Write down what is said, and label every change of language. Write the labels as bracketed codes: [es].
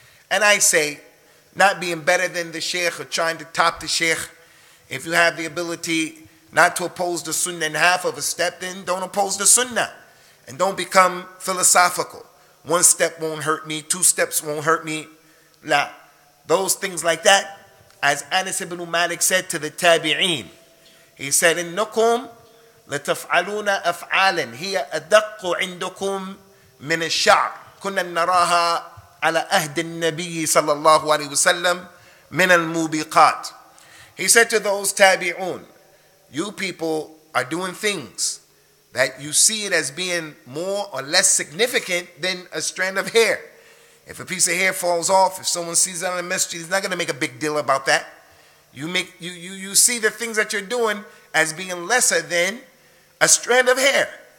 [en] And I say, not being better than the sheikh or trying to top the sheikh, if you have the ability not to oppose the sunnah in half of a step, then don't oppose the sunnah. And don't become philosophical. One step won't hurt me, two steps won't hurt me. Now, those things like that, as Anas ibn Malik said to the Tabi'een, he said, [ar] إِنَّكُمْ لَتَفْعَلُونَ أَفْعَالًا هِيَ أَدَقُّ عِنْدُكُمْ مِنَ الشَّعْرِ كُنَّا نَرَاهَا عَلَى أَهْدِ النَّبِيِّ صَلَّى اللَّهُ عَلَيْهِ وَسَلَّمْ مِنَ الْمُوبِقَاتِ. [en] He said to those Tabi'een, you people are doing things that you see it as being more or less significant than a strand of hair. If a piece of hair falls off, if someone sees it on the masjid, he's not going to make a big deal about that. You see the things that you're doing as being lesser than a strand of hair.